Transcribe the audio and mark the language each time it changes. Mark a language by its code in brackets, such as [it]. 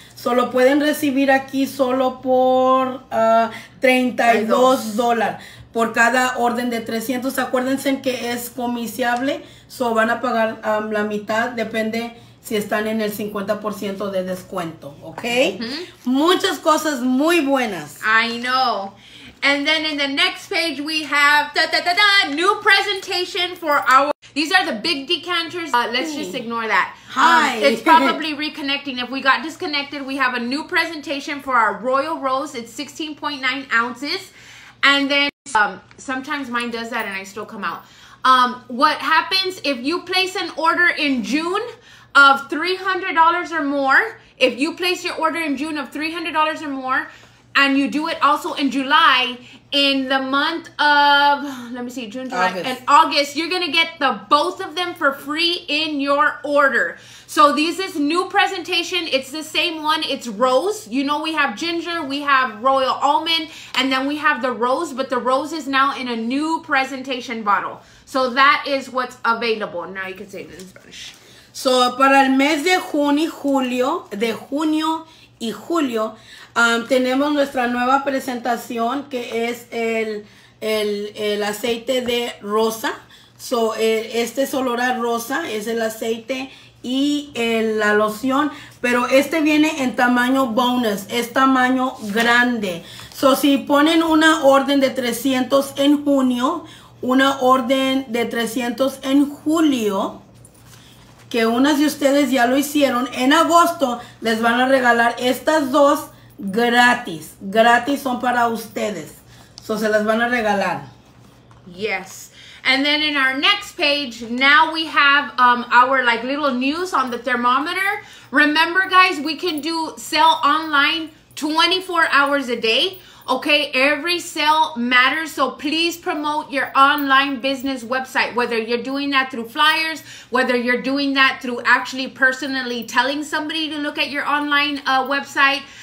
[es] Solo pueden recibir aquí solo por $32 por cada orden de 300. Acuérdense que es comisiable, so van a pagar la mitad, depende si están en el 50% de descuento, ¿ok? Muchas cosas muy buenas. [en] I know. And then in the next page we have new presentation for our, these are the big decanters. Let's just ignore that. It's probably reconnecting. If we got disconnected, we have a new presentation for our Royal Rose. It's 16.9 ounces. And then sometimes mine does that and I still come out. What happens if you place an order in June of $300 or more, if you place your order in June of $300 or more, and you do it also in July, in the month of, let me see, June, July, August. And August, you're going to get the both of them for free in your order. So this is new presentation. It's the same one. It's rose. You know, we have ginger, we have royal almond, and then we have the rose. But the rose is now in a new presentation bottle. So that is what's available. Now you can say it in Spanish. [es] So para el mes de junio, julio, de junio y julio, tenemos nuestra nueva presentación que es el aceite de rosa. So, este es olor a rosa, es el aceite y la loción. Pero este viene en tamaño bonus, es tamaño grande. So, si ponen una orden de 300 en junio, una orden de 300 en julio, que unas de ustedes ya lo hicieron, en agosto les van a regalar estas dos. Gratis son para ustedes. So se las van a regalar. [en] Yes. And then in our next page, now we have our like little news on the thermometer. Remember, guys, we can do sell online 24 hours a day. Okay, every sale matters, so please promote your online business website, whether you're doing that through flyers, whether you're doing that through actually personally telling somebody to look at your online website.